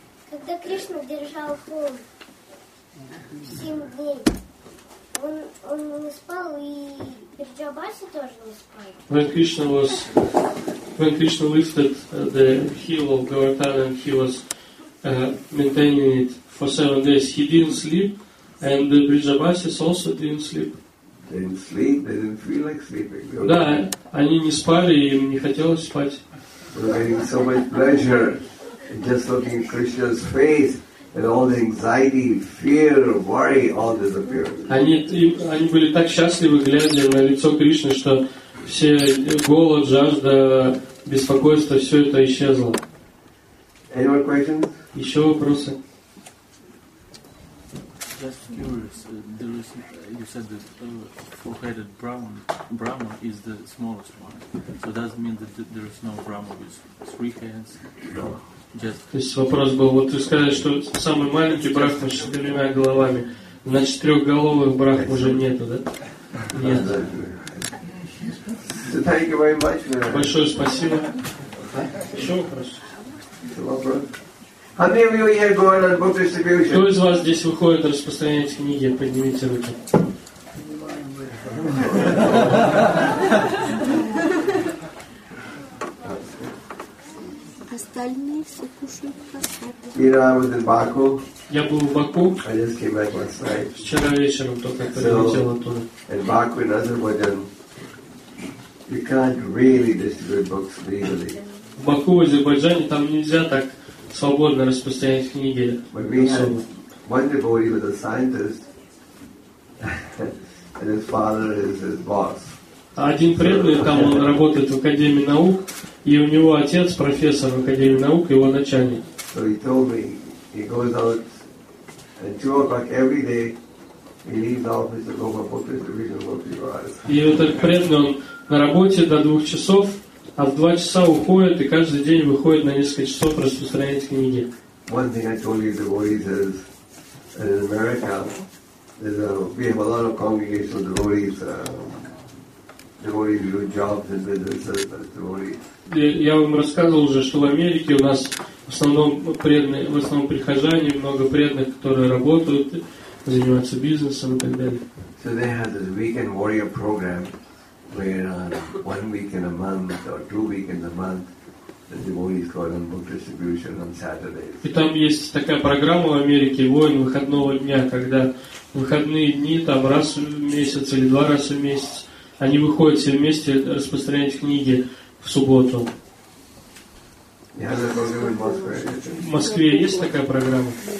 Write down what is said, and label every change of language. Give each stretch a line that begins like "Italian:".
Russian: Когда Кришна держал холм 7 дней, он не спал и Вриджабаси тоже не спали.
English: When Krishna lifted the heel of Govardhana and he was maintaining it for 7 days, he didn't sleep, and the Vriddhavasis also didn't sleep. They didn't feel like sleeping.
Russian: Да, они не спали, им не хотелось спать.
English: They were having so much pleasure just looking at Krishna's face, and all the anxiety, fear, worry, all disappeared.
Russian: Они были так счастливы, глядя на лицо Кришны, что все голод, жажда, беспокойство, все это исчезло.
English: Any more questions?
Russian: Еще вопросы?
English: Just curious, there is, you said that four-headed Brahma is the smallest one. So does it mean that there is no Brahma with three heads? No. Just.
Russian: То есть вопрос был, вот ты сказал, что самый маленький Брахма с четырьмя головами, значит трехголовых Брахм уже нету, да? Нет.
English: Thank you very much.
Russian: Большое спасибо. Еще вопрос.
English: How many of you here go on book distribution?
Russian: Кто из вас здесь выходит распространять книги? Поднимите руки.
English: You know, I was in Baku.
Russian: Я был в Баку.
English: I just came back last night.
Russian: Вчера вечером только прилетел оттуда.
English: In Baku, in Azerbaijan. You can't really distribute books legally.
Russian: В Баку, в Азербайджане, там нельзя так свободно распространять книги.
English: But we had one devotee was a scientist, and his father is his boss.
Russian: Один преданный там, он работает в Академии наук, и у него отец профессор в Академии наук, его начальник.
English: So he told me he goes out at 2 o'clock every day. He leaves the office to go for book distribution work.
Russian: И вот этот преданный, он на работе до 2 часов, а в 2 часа уходит и каждый день выходит на несколько часов распространять книги.
English: One thing I told you, the devotees is in America, we have a lot of congregational devotees. Devotees do jobs and businesses, but devotees.
Russian: Я вам рассказывал уже, что в Америке у нас в основном преданные, в основном прихожане, много преданных, которые работают, занимаются бизнесом и так далее.
English: So they have this weekend warrior program. Where one week in a month or 2 weeks in a month, the devotees go on book distribution on Saturdays.
Russian: И там есть такая программа в Америке, воин выходного дня, когда выходные дни там раз в месяц или 2 раза в месяц они выходят все вместе распространять книги в субботу. В Москве есть такая программа?